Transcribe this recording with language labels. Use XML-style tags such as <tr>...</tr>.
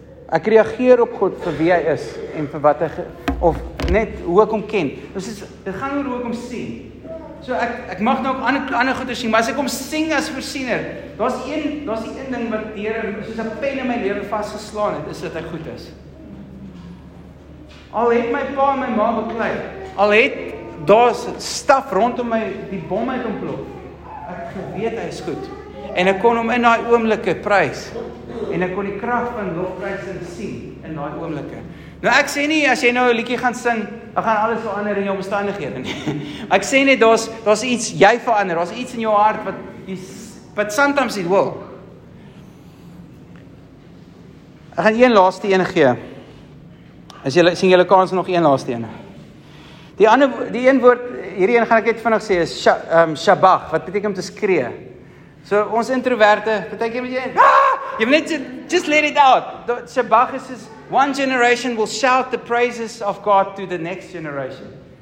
<af>Ek reageer op God vir wie hy is en vir wat hy of net hoe ek hom ken. Dit gaan oor hoe ek hom sien. So ek mag nou ook ander goeie sien, maar as ek hom sien as voorsiener, daar's die een ding wat deur soos 'n pen in my lewe vasgeslaan het, is dat hy goed is. Al het my pa en my ma beklei, al het daar's staf rondom my, die bom het ontplof. Ek geweet hy is goed. En ek kon hom in daai oomblikke prys. En ek kon die krag van lofprysing sien in daai oomblikke. Nou ek sê nie as jy nou 'n liedjie gaan sing, dan gaan alles verander in jou omstandighede nie. Ek sê net daar's iets jy verander, daar's iets in jou hart wat jy</af> <en>but sometimes it will.</en> <af>Ek gaan een laaste een gee. As jy sien julle kans nog een laaste een. Die een woord, hierdie een gaan ek net vinnig sê, is shabach, wat beteken om te skree. So ons introverte, partykeer moet jy net, jy moet net</af> <en>just let it out. Shabach</en> <af>is soos,</af> <en>one generation will shout the praises of God to the next generation.</en>